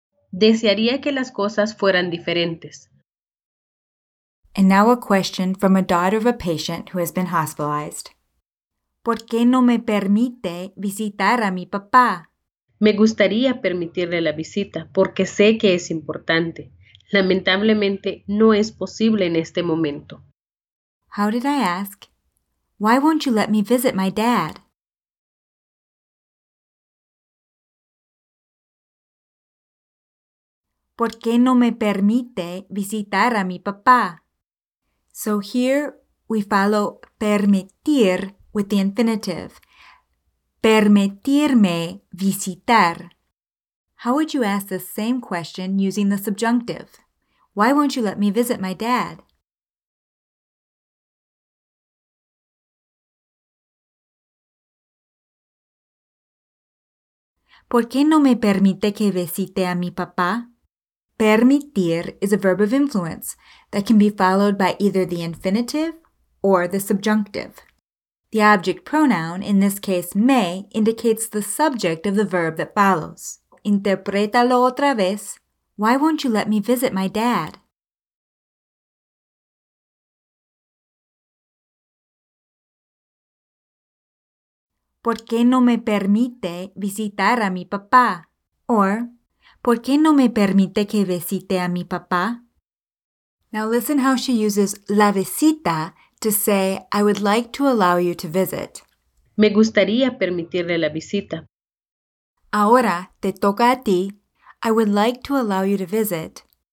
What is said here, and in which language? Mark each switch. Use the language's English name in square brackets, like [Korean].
[Spanish] Desearía que las cosas fueran diferentes. [English] And now a question from a daughter of a patient who has been hospitalized. [Spanish] ¿Por qué no me permite visitar a mi papá? Me gustaría permitirle la visita porque sé que es importante. Lamentablemente, no es posible en este momento. [English] How did I ask? Why won't you let me visit my dad? [Spanish] ¿Por qué no me permite visitar a mi papá? [English] So here we follow permitir with the infinitive. [Spanish] Permitirme visitar. [English] How would you ask the same question using the subjunctive? Why won't you let me visit my dad? [Spanish] ¿Por qué no me permite que visite a mi papá? [English] Permitir is a verb of influence that can be followed by either the infinitive or the subjunctive. The object pronoun, in this case me, indicates the subject of the verb that follows. [Spanish] Interprétalo otra vez. [English] Why won't you let me visit my dad? [Spanish] ¿Por qué no me permite visitar a mi papá? Or, ¿por qué no me permite que visite a mi papá? [English] Now listen how she uses la visita to say, I would like to allow you to visit. [Spanish] Me gustaría permitirle la visita. Ahora, te toca a ti. [English] I would like to allow you to visit.